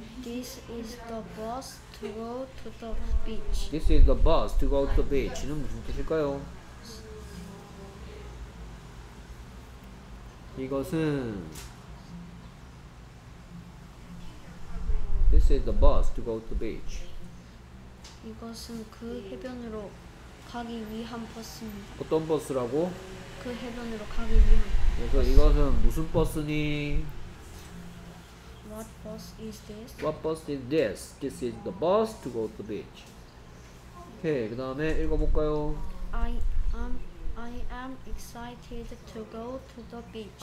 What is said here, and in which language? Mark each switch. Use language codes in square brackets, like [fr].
[en] This is the bus to go to the beach. This is the bus to go to the beach는 [ko] 무슨 뜻일까요? 이것은 [en] This is the bus to go to the beach. [ko] 이것은 그 해변으로 가기 위한 버스입니다. 어떤 버스라고? 그 해변으로 가기 위한 버스. 그래서 이것은 무슨 버스니? [en] What bus is this? What bus is this? This is the bus to go to the beach. [ko] 오케이, 그 다음에 읽어볼까요? [en] I am excited to go to the beach.